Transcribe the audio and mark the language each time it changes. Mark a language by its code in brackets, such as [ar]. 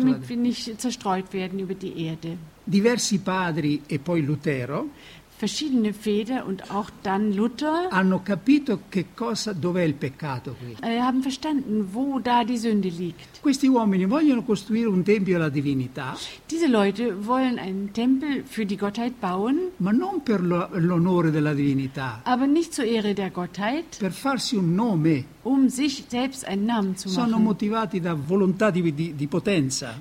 [de] Damit wir nicht zerstreut werden über die Erde. [it] Diversi padri e poi Lutero. [de] Verschiedene Väter und auch dann Luther [it] hanno capito che cosa, dov'è il peccato qui. [de] Haben verstanden, wo da die Sünde liegt. [it] Questi uomini vogliono costruire un tempio alla divinità. [de] Diese Leute wollen einen Tempel für die Gottheit bauen. [it] Ma non per l'onore della divinità. [de] Aber nicht zur Ehre der Gottheit. [it] Per farsi un nome. [de] Um sich selbst einen Namen zu [it] sono [de] machen. [it] Motivati da volontà di potenza.